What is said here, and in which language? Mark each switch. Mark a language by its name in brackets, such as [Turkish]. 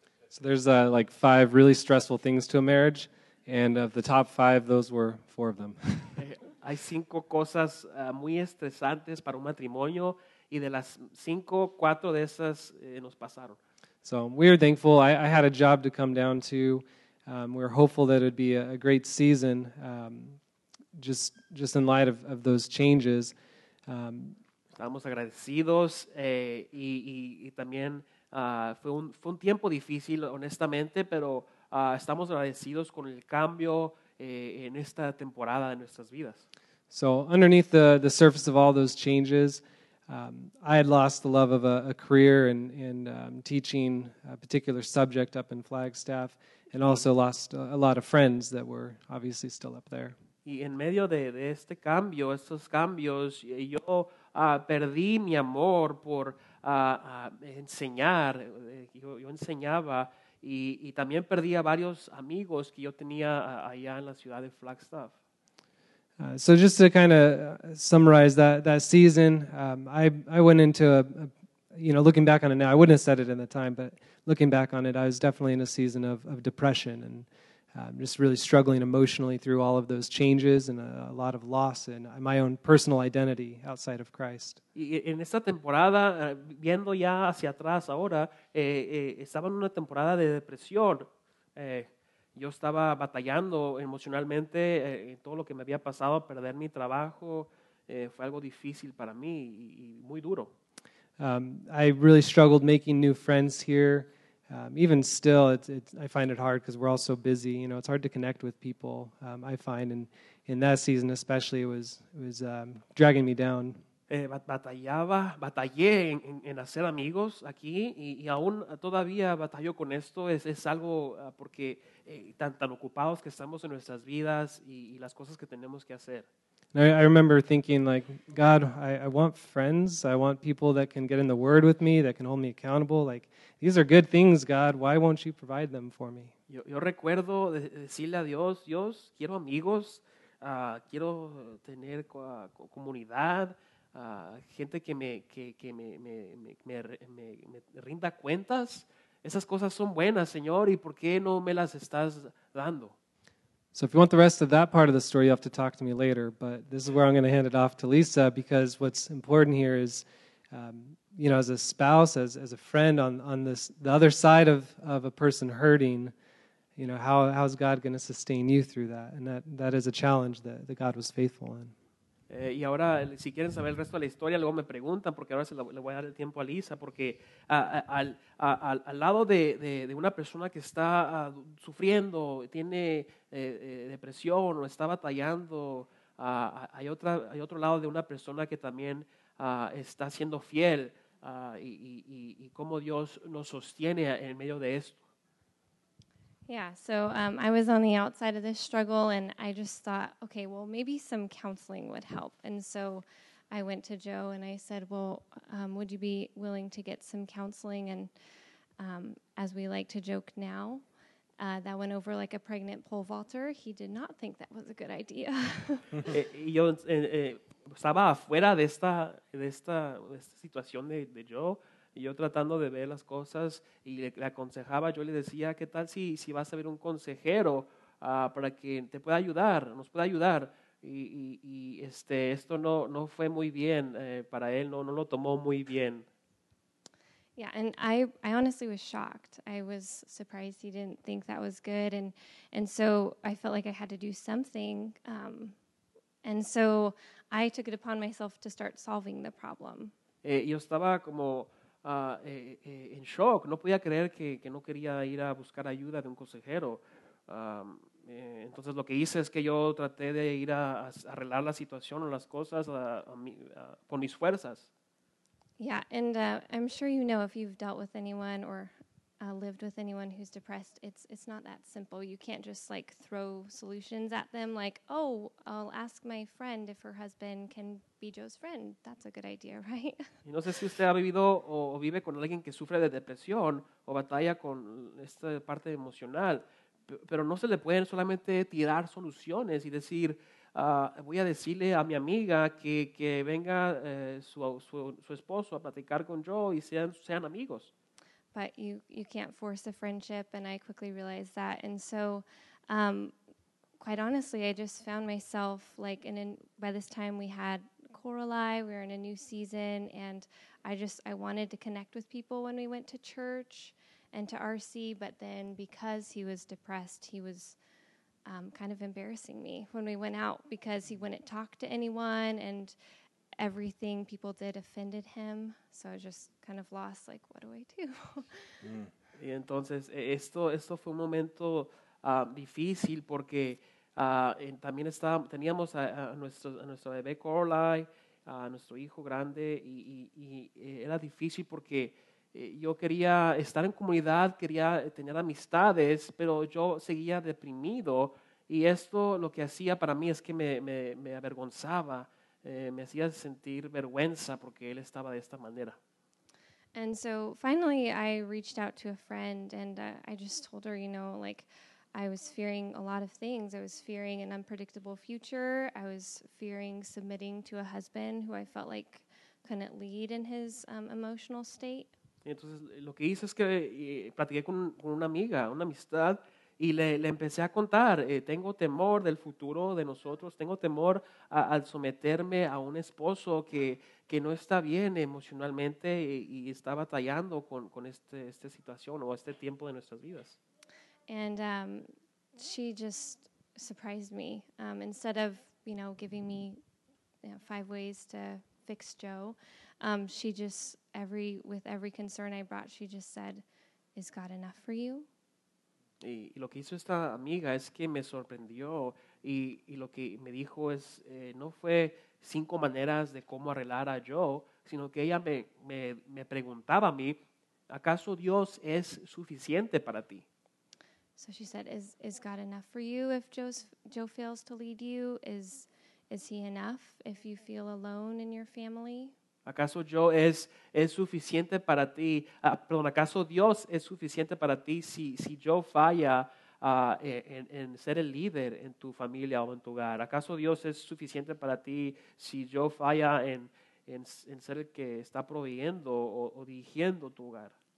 [English] So there's like five really stressful things to a marriage. And of the top five, those were four of them. [Spanish] Hay cinco cosas muy estresantes para un matrimonio, y de las cinco, cuatro de esas nos pasaron. [English] So we are thankful. I had a job to come down to. We were hopeful that it would be a great season, just in light of those changes. [Spanish] Estamos agradecidos, y también fue un tiempo difícil, honestamente, pero... estamos agradecidos con el cambio en esta temporada de nuestras vidas. [English] So underneath the surface of all those changes, I had lost the love of a career in teaching a particular subject up in Flagstaff, and also lost a lot of friends that were obviously still up there. [Spanish] Y en medio de este cambio, estos cambios, yo perdí mi amor por enseñar. Yo enseñaba. Y también perdí a varios amigos que yo tenía allá en la ciudad de Flagstaff. [English] So just to kind of summarize that season, I went into looking back on it now, I wouldn't have said it in the time, but looking back on it, I was definitely in a season of depression and just really struggling emotionally through all of those changes and a lot of loss in my own personal identity outside of Christ. [Spanish] Y en esta temporada, viendo ya hacia atrás ahora, estaba en una temporada de depresión. Yo estaba batallando emocionalmente en todo lo que me había pasado, perder mi trabajo. Fue algo difícil para mí y muy duro. [English] I really struggled making new friends here. Even still, I find it hard because we're all so busy. You know, it's hard to connect with people, I find. And in that season especially, it was dragging me down. [Spanish] Batallé en hacer amigos aquí y aún todavía batallo con esto. Es algo porque tan ocupados que estamos en nuestras vidas y las cosas que tenemos que hacer. [English] I remember thinking, like, God, I want friends. I want people that can get in the Word with me, that can hold me accountable. Like, these are good things, God. Why won't you provide them for me? [Spanish] Yo recuerdo decirle a Dios, Dios, quiero amigos. Quiero tener comunidad. Gente que me rinda cuentas. Esas cosas son buenas, Señor. ¿Y por qué no me las estás dando? [English] So if you want the rest of that part of the story, you'll have to talk to me later. But this is where I'm going to hand it off to Lisa, because what's important here is, you know, as a spouse, as a friend on this the other side of a person hurting, you know, how is God going to sustain you through that? And that is a challenge that God was faithful in. [Spanish] Y ahora, si quieren saber el resto de la historia, luego me preguntan, porque ahora le voy a dar el tiempo a Lisa, porque al lado de una persona que está sufriendo, tiene depresión o está batallando, hay otro lado de una persona que también está siendo fiel y cómo Dios nos sostiene en medio de esto. [English] Yeah, so I was on the outside of this struggle, and I just thought, okay, well, maybe some counseling would help. And so I went to Joe, and I said, well, would you be willing to get some counseling? And as we like to joke now, that went over like a pregnant pole vaulter. He did not think that was a good idea. [Spanish] Yo estaba afuera de esta situación de Joe. Y yo tratando de ver las cosas y le aconsejaba, yo le decía, ¿qué tal si vas a ver un consejero para que te pueda ayudar, nos pueda ayudar? Y esto no fue muy bien para él, no lo tomó muy bien. [English] Yeah, and I honestly was shocked. I was surprised he didn't think that was good. And so I felt like I had to do something. And so I took it upon myself to start solving the problem. [Spanish] Yo estaba como... en shock, no podía creer que no quería ir a buscar ayuda de un consejero. Entonces lo que hice es que yo traté de ir a arreglar la situación o las cosas con mis fuerzas. [English] Yeah, and I'm sure you know if you've dealt with anyone or lived with anyone who's depressed, it's not that simple. You can't just like throw solutions at them like, oh, I'll ask my friend if her husband can be Joe's friend. That's a good idea, right? [Spanish] Y no sé si usted ha vivido o vive con alguien que sufre de depresión o batalla con esta parte emocional, pero no se le pueden solamente tirar soluciones y decir, voy a decirle a mi amiga que venga su esposo a platicar con Joe y sean amigos. [English] But you can't force a friendship, and I quickly realized that. And so, quite honestly, I just found myself, like, and by this time we had Coralie, we were in a new season, and I wanted to connect with people when we went to church and to RC, but then because he was depressed, he was kind of embarrassing me when we went out because he wouldn't talk to anyone, and everything people did offended him, so I was just kind of lost, like, what do I do? [Spanish] Y entonces, esto fue un momento difícil porque también teníamos a nuestro bebé Coralie, a nuestro hijo grande, y era difícil porque yo quería estar en comunidad, quería tener amistades, pero yo seguía deprimido, y esto lo que hacía para mí es que me avergonzaba. Me hacía sentir vergüenza porque él estaba de esta manera. [English] And so finally I reached out to a friend and I just told her, you know, like I was fearing a lot of things. I was fearing an unpredictable future. I was fearing submitting to a husband who I felt like couldn't lead in his emotional state. [Spanish] Y entonces lo que hice es que platiqué con una amiga, una amistad, Y le empecé a contar, tengo temor del futuro de nosotros, tengo temor al someterme a un esposo que no está bien emocionalmente y está batallando con esta situación o este tiempo de nuestras vidas. [English] And she just surprised me. Instead of, you know, giving me, you know, 5 ways to fix Joe, she just, with every concern I brought, she just said, "Is God enough for you?" [Spanish] Y lo que hizo esta amiga es que me sorprendió y lo que me dijo es, no fue 5 maneras de cómo arreglar a Joe, sino que ella me preguntaba a mí, ¿acaso Dios es suficiente para ti? [English] So she said, is God enough for you if Joe fails to lead you? Is he enough if you feel alone in your family? [Spanish] ¿Acaso Joe es suficiente para ti? Perdón, ¿acaso Dios es suficiente para ti si Joe falla en ser el líder en tu familia o en tu hogar? ¿Acaso Dios es suficiente para ti si Joe falla en ser el que está proveyendo o dirigiendo tu hogar?